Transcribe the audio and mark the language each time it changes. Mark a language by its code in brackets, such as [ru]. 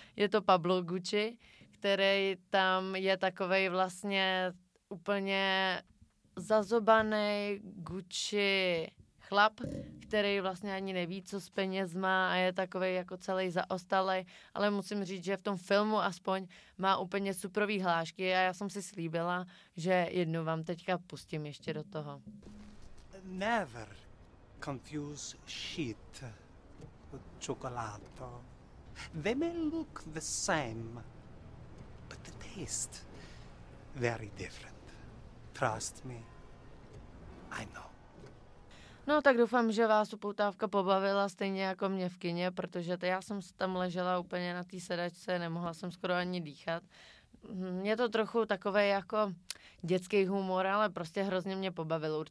[cs] Je to Pablo Gucci, který tam je takovej vlastně úplně zazobaný Gucci chlap, který vlastně ani neví, co s penězma a je takovej jako celý zaostalej, ale musím říct, že v tom filmu aspoň má úplně superový hlášky a já jsem si slíbila, že jednu vám teďka pustím ještě do toho. [en] Never confuse shit with chocolate. They may look the same, but the taste very different. Trust me, I know. [cs] No tak doufám, že vás upoutávka pobavila stejně jako mě v kině, protože já jsem tam ležela úplně na té sedačce, nemohla jsem skoro ani dýchat. Je to trochu takovej jako dětský humor, ale prostě hrozně mě pobavilo.